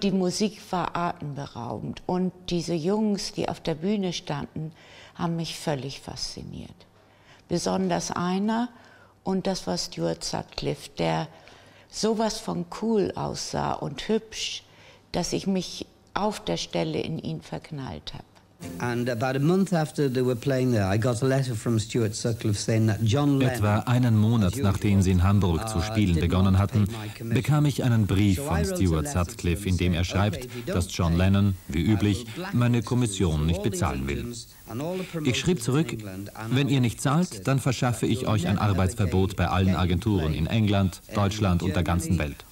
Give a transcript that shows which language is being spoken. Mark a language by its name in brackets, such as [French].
[German] Die Musik war atemberaubend und diese Jungs, die auf der Bühne standen, haben mich völlig fasziniert. Besonders einer, und das war Stuart Sutcliffe, der sowas von cool aussah und hübsch, dass ich mich auf der Stelle in ihn verknallt habe. [English] And about a month after they were playing there, I got a letter from Stuart Sutcliffe saying that John Lennon. [German] Etwa einen Monat nachdem sie in Hamburg zu spielen begonnen hatten, bekam ich einen Brief von Stuart Sutcliffe, in dem er schreibt, dass John Lennon, wie üblich, meine Kommission nicht bezahlen will. Ich schrieb zurück, wenn ihr nicht zahlt, dann verschaffe ich euch ein Arbeitsverbot bei allen Agenturen in England, Deutschland und der ganzen Welt.